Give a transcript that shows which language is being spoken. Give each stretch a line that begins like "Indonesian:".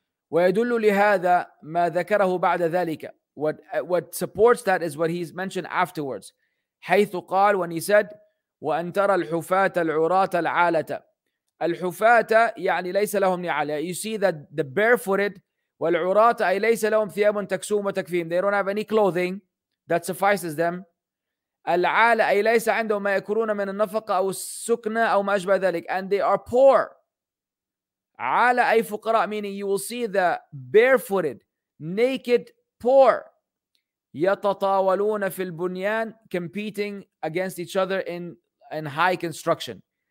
Arabic: ويدل لهذا ما ذكره بعد ذلك.
English: What supports that is what he's mentioned afterwards.
Arabic: حيث قال,
English: when he said,
Arabic: وأن ترى الحفاة العراة العالة. الحفاة يعني ليس لهم نعال.
English: You see that the barefooted
Arabic: والعراة أي ليس لهم ثياب تكسوم وتكفيم.
English: They don't have any clothing that suffices them.
Arabic: العالة أي ليس عندهم ما يكرون من النفقة أو السكنة أو ما أشبه ذلك.
English: And they are poor.
Arabic: عالة أي فقراء,
English: meaning you will see the barefooted, naked, poor.
Arabic: يتطاولون في البنيان,
English: competing against each other in high construction.